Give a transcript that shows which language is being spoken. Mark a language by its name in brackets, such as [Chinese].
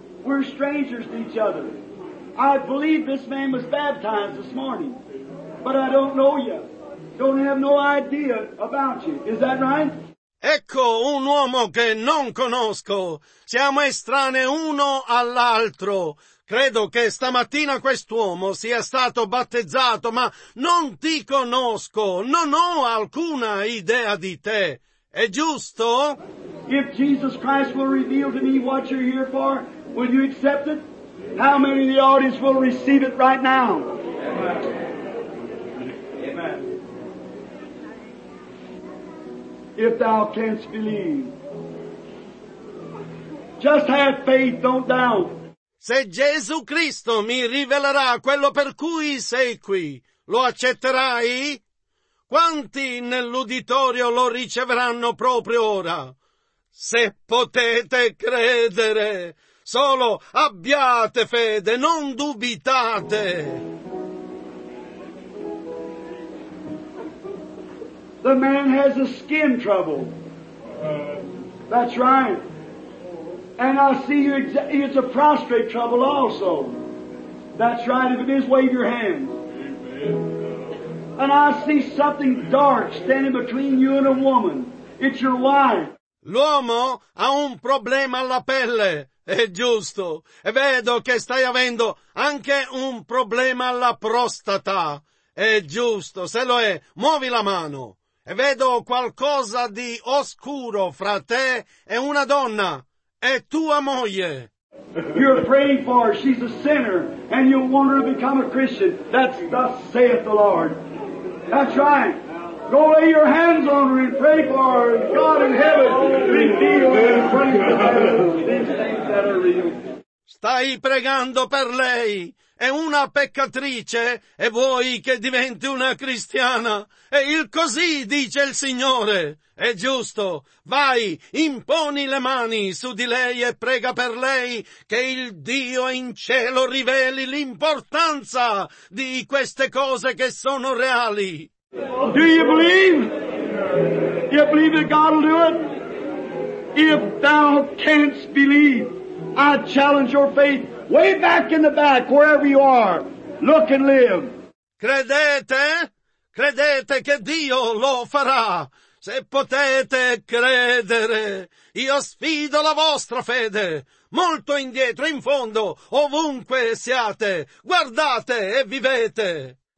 [English] We're strangers to each other. I believe this man was baptized this morning, but I don't know you. Don't have no idea about you. Is that right? [Italian] Ecco un uomo che non conosco. Siamo estranei uno all'altro. Credo che stamattina quest'uomo sia stato battezzato, ma non ti conosco. Non ho alcuna idea di te. È giusto? [English] If Jesus Christ will reveal to me what you're here for, will you accept it? How many of the audience will receive it right now? Amen. Amen. If thou canst believe. Just have faith, don't doubt. [Italian] Se Gesù Cristo mi rivelerà quello per cui sei qui, lo accetterai? Quanti nell'uditorio lo riceveranno proprio ora? Se potete credere... Solo abbiate fede, non dubitate. [English] The man has a skin trouble. That's right. And I see you, it's a prostrate trouble also. That's right, if it is, wave your hands. And I see something dark standing between you and a woman. It's your wife. [Italian] L'uomo ha un problema alla pelle, è giusto. E vedo che stai avendo anche un problema alla prostata, è giusto. Se lo è, muovi la mano. E vedo qualcosa di oscuro fra te e una donna, è tua moglie. [English] You're praying for her. She's a sinner, and you want her to become a Christian. That's thus saith the Lord. That's right. Go lay your hands on her and pray for her. God in heaven, reveal and pray for her. These things that are real. [Italian] Stai pregando per lei. È una peccatrice e vuoi che diventi una cristiana. E il così dice il Signore. È giusto. Vai, imponi le mani su di lei e prega per lei che il Dio in cielo riveli l'importanza di queste cose che sono reali. [English] Do you believe? Do you believe that God will do it? If thou canst believe, I challenge your faith. Way back in the back, wherever you are, look and live. [Italian] Credete? Credete che Dio lo farà? Se potete credere, io sfido la vostra fede. Molto indietro, in fondo, ovunque siate, guardate e vivete.